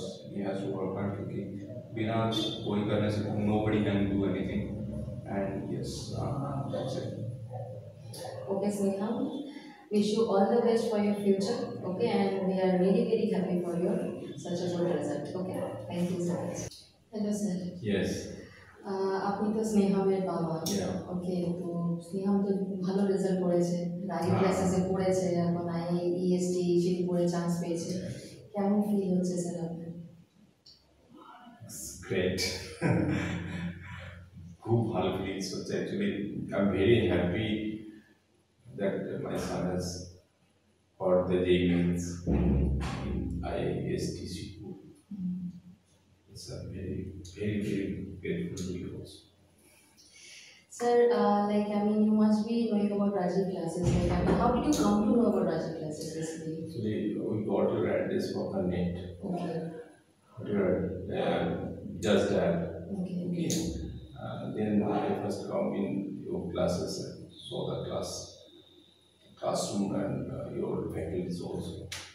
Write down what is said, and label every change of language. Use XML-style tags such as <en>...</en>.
<hi>क्योंकि बिना कोई करने से</hi> <en>nobody can do anything, and yes, that's it. Okay, Sneham, wish you all the best for your future. Okay, and we are really, really happy for your such a good result. Okay, thank you so much. Hello, sir. Yes.</en> <bn>আপনি তো স্নেহামের বাবা, ওকে, তো স্নেহাম তো ভালো result করেছে, রাজীব ক্লাসেসে পড়েছে, এখন IIEST শিবপুরে chance পেয়েছে, কেমন ফিল হচ্ছে স্যার আপনার?</bn> <en>great,</en> <bn>খুব ভালো ফিলিংস হচ্ছে,</bn> <en>Actually I am very happy that my son has got the JEE mains in IIEST Shibpur, it's a very very very Sir, like I mean, you must be knowing about Rajeev classes. Like, I mean, how did you come to know about Rajeev classes basically? So we got your address from the net. Okay. Just that. Okay. Then I first come in your classes and saw the classroom and your faculties also.</en>